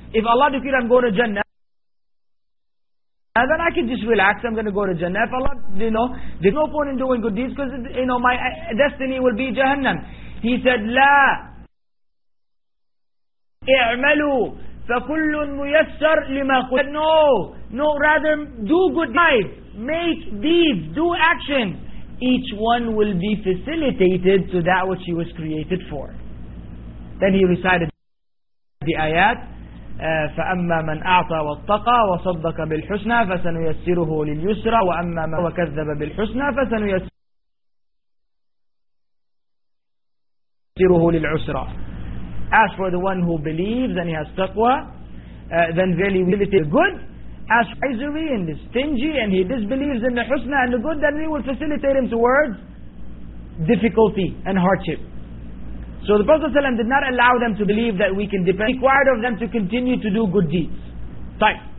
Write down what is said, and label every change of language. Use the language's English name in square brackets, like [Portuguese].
[English] If Allah decreed I'm going to Jannah, then I can just relax, I'm going to go to Jannah. If Allah, there's no point in doing good deeds because, my destiny will be Jahannam. He said, [Arabic] لَا اِعْمَلُوا فَكُلٌّ مُيَسَّرْ لِمَا قُلْ. [English] No, rather do good deeds, make deeds, do action. Each one will be facilitated to that which he was created for. Then he recited the ayat, [Arabic] فَأَمَّا مَنْ أَعْطَى وَاتَّقَى وَصَدَّقَ بِالْحُسْنَى فَسَنُيَسِّرُهُ لِلْيُسْرَى وَأَمَّا مَنْ وَكَذَّبَ بِالْحُسْنَى فَسَنُيَسِّرُهُ لِلْعُسْرَى. [English] As for the one who believes and he has taqwa, then verily we facilitate the good. As for misery and is stingy and he disbelieves in the husna and the good, then we will facilitate him towards difficulty and hardship. So the Prophet ﷺ did not allow them to believe that we can depend. Required of them to continue to do good deeds. Right.